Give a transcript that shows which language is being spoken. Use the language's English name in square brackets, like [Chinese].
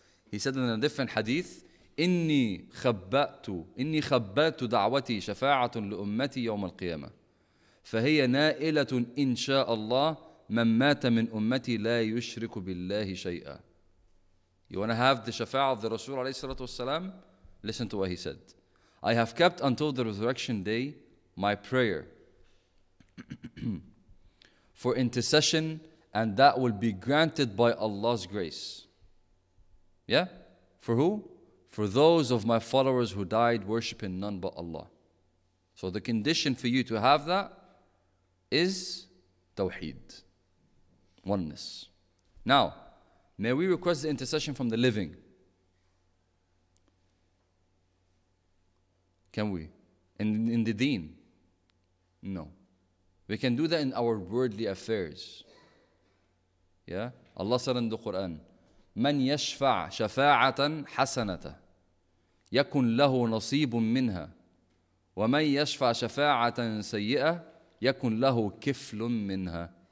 [English] He said in a different hadith, [Arabic] إني خبأت دعوتي شفاعة لأمتي يوم القيامة فهي نائلة إن شاء الله من مات من أمتي لا يشرك بالله شيئا. [English] You want to have the شفاعة of the Rasul [Arabic] عليه الصلاة والسلام? [English] Listen to what he said. I have kept until the resurrection day my prayer for intercession, and that will be granted by Allah's grace. Yeah? For who? For those of my followers who died worshipping none but Allah. So the condition for you to have that is tawheed, oneness. Now, may we request the intercession from the living? Can we? In the deen? No. We can do that in our worldly affairs. Yeah? Allah said in the Quran, [Arabic] من يشفع شفاعة حسنة يكن له نصيب منها ومن يشفع شفاعة سيئة يكن له كفل منها.